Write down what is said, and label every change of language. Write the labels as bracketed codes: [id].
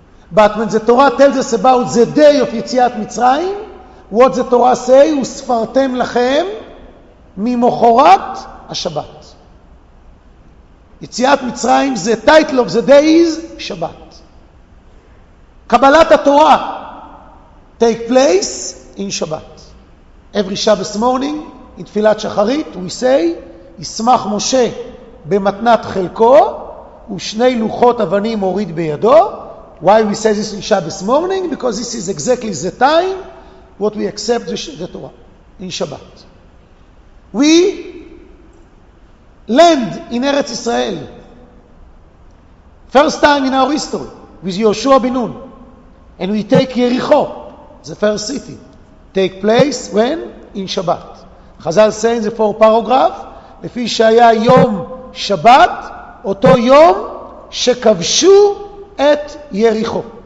[en] But when the Torah tells us about the day of Yetziat Mitzrayim, what the Torah say, [he] וספרתם לכם ממוחרת השבת. יציאת מצרים, [en] the title of the day is שבת. [he] קבלת התורה [en] take place in שבת. Every Shabbos morning, in [he] תפילת שחרית, [en] we say, [he] ישמח משה במתנת חלקו, ושני לוחות אבנים הוריד בידו, [en] Why we say this in Shabbos morning? Because this is exactly the time what we accept the Torah in Shabbat. We land in Eretz Israel. First time in our history with Yehoshua ben Nun. And we take Yericho, the first city. Take place when? In Shabbat. [he] Chazal [en] says the four paragraph, [he] לפי שהיה יום שבת, אותו יום שכבשו את יריחו.